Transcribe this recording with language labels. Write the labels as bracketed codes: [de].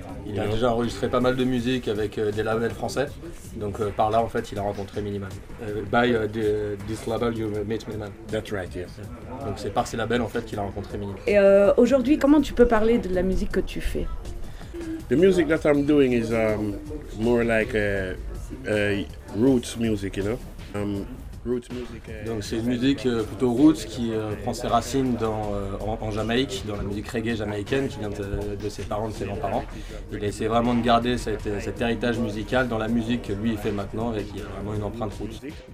[fr] Il a déjà enregistré pas mal de musique avec des labels français. Donc par là, en fait, il a rencontré Minnie Mann. [en] By this label, you met Minnie Mann. That's right, yes. [fr] Donc c'est par ces labels, en fait, qu'il a rencontré Minnie Mann. Et aujourd'hui, comment tu peux parler de la musique que tu fais ? [en] The music that I'm doing is more like a roots music, you know. [fr] Donc c'est une musique plutôt roots qui prend ses racines en Jamaïque, dans la musique reggae jamaïcaine qui vient de ses parents, de ses grands-parents. Il a essayé vraiment de garder cet héritage musical dans la musique que lui fait maintenant et qui a vraiment une empreinte roots.